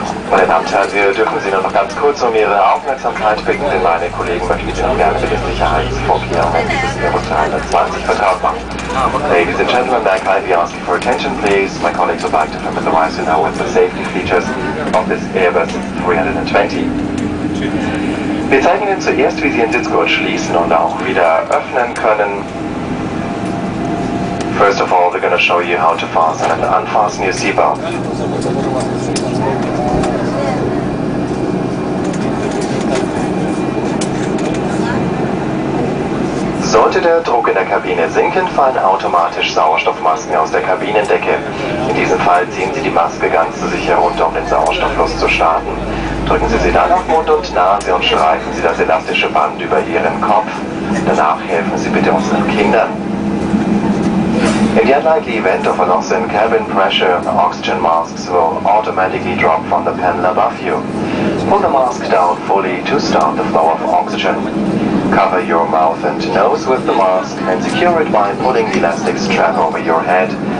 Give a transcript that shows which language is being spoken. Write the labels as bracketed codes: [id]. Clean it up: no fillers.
[de] Meine Damen und Herren, dürfen Sie nur noch ganz kurz um Ihre Aufmerksamkeit bitten, denn meine Kollegen möchten Ihnen gerne für die Sicherheitsvorkehrungen des Airbus 320 vertraut machen. [en] Ladies and gentlemen, I kindly ask you for attention, please. My colleagues would like to familiarize you now with the safety features of this Airbus 320. [de] Wir zeigen Ihnen zuerst, wie Sie Ihren Sitzgurt schließen und auch wieder öffnen können. [en] First of all, they're going to show you how to fasten and unfasten your seatbelt. [de] Sollte der Druck in der Kabine sinken, fallen automatisch Sauerstoffmasken aus der Kabinendecke. In diesem Fall ziehen Sie die Maske ganz zu sich herunter, um den Sauerstofffluss zu starten. Drücken Sie sie dann auf Mund und Nase und streifen Sie das elastische Band über Ihren Kopf. Danach helfen Sie bitte unseren Kindern. [en] In the unlikely event of a loss in cabin pressure, oxygen masks will automatically drop from the panel above you. Pull the mask down fully to start the flow of oxygen. Cover your mouth and nose with the mask and secure it by pulling the elastic strap over your head.